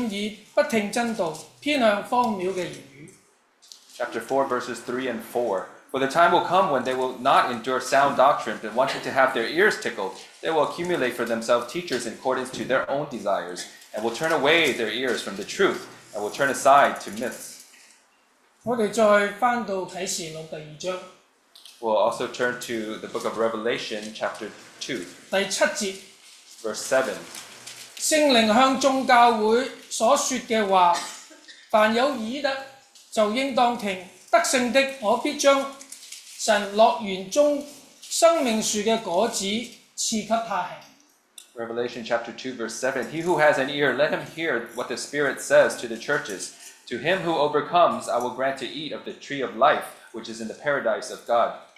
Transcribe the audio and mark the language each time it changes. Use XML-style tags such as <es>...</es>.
<zh>因為時候要到，人必厭煩純正的道理，以惰發揚，就隨從自己的情慾，增添好些師傅，並且掩耳不聽真道，偏向荒謬的言語。</zh> <en>Chapter 4, verses 3 and 4. For the time will come when they will not endure sound doctrine, but wanting to have their ears tickled, they will accumulate for themselves teachers in accordance to their own desires, and will turn away their ears from the truth, and will turn aside to myths.</en> <zh>我们再回到启示录第二章。</zh> <en>We'll also turn to the book of Revelation, chapter 2.</en> <zh>第七节,</zh> <en>verse 7.</en> <zh>圣灵向宗教会所说的话，凡有耳的，就应当听。得胜的，我必将神乐园中生命树的果子赐给他吃。</zh> <en>Revelation chapter 2, verse 7. He who has an ear, let him hear what the Spirit says to the churches. To him who overcomes, I will grant to eat of the tree of life, which is in the paradise of God.</en>